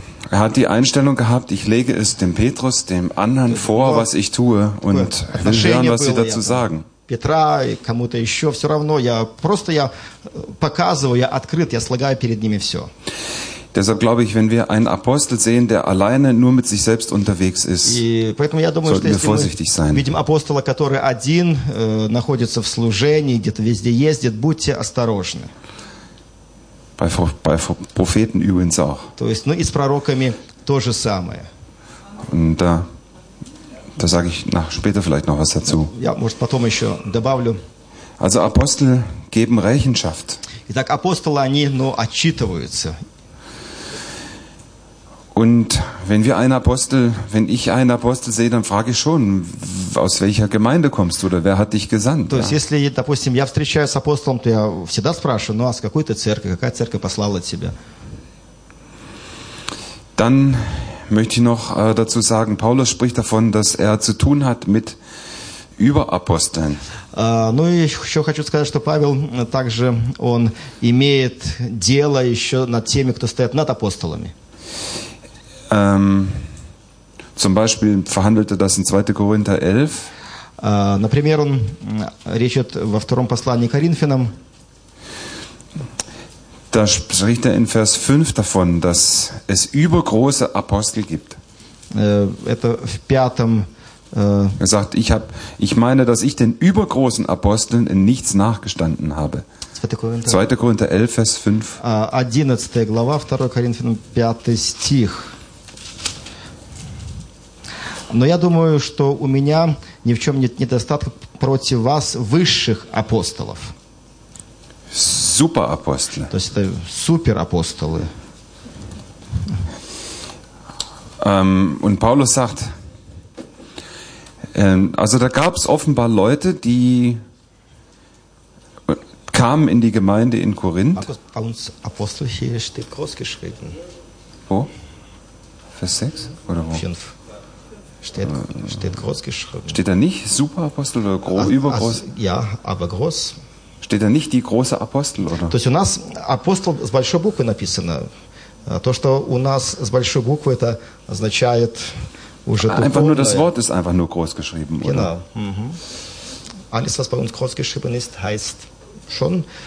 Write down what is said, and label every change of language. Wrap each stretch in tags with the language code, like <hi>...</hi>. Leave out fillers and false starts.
<de>Er hat die Einstellung gehabt, ich lege es dem Petrus, dem anderen vor, was ich tue und will hören, was sie dazu sagen.</de> <ru>Петра и кому-то еще все равно. Я показываю, я открыт, я слагаю перед ними все.</ru> <de>Deshalb glaube ich, wenn wir einen Apostel sehen, der alleine nur mit sich selbst unterwegs ist, sollten wir vorsichtig sein.</de> <ru>Видим апостола, который один находится в служении, где-то везде ездит, будьте осторожны.</ru> <de>Bei Propheten übrigens auch.</de> <ru>То есть, ну и с пророками то же самое.</ru> <de>Und da, da sage ich nach später vielleicht noch was dazu.</de> <ru>Ja, может потом еще добавлю.</ru> <de>Also Apostel geben Rechenschaft.</de> <ru>Итак, апостолы они, ну, отчитываются.</ru> <de>Und wenn wir einen Apostel, wenn ich einen Apostel sehe, dann frage ich schon, aus welcher Gemeinde kommst du oder wer hat dich gesandt?</de> <ru>То есть, если, допустим, я встречаюсь с апостолом, то я всегда спрашиваю, ну а с какой ты церкви, какая церковь послала тебя?</ru> <de>Dann möchte ich noch dazu sagen, Paulus spricht davon, dass er zu tun hat mit Überaposteln.</de> <ru>Ну и еще хочу сказать, что Павел также он имеет дело еще над теми, кто стоит над апостолами.</ru> <de>Zum Beispiel verhandelte das in 2. Korinther 11.</de> <ru>Например, он речит во втором послании Коринфянам.</ru> <de>Da spricht er in Vers 5 davon, dass es übergroße Apostel gibt.</de> <ru>Это в пятом.</ru> <de>Er sagt, ich meine, dass ich den übergroßen Aposteln in nichts nachgestanden habe. 2. Korinther 11, Vers 5.</de> <ru>11. глава, 2. Коринфянам, 5. стих. Но я думаю, что у меня ни в чем нет недостатка против вас, высших апостолов. Суперапостолы. То есть это суперапостолы.</ru> <de>Und Paulus sagt, also da gab es offenbar Leute, die kamen in die Gemeinde in Korinth. Paulus Apostel hier steht großgeschrieben. Wo? Vers 6 oder wo? 5. Steht groß geschrieben. Steht da nicht Superapostel oder übergroß? Ja, aber groß. Steht da nicht die große Apostel, oder?</de> <ru>То есть у нас апостол с большой буквы написано. То, что у нас с большой буквы, это означает уже духовное.</ru> <de>Einfach nur das Wort ist einfach nur groß geschrieben, oder? Genau. Alles, was bei uns groß geschrieben ist, heißt schon.</de>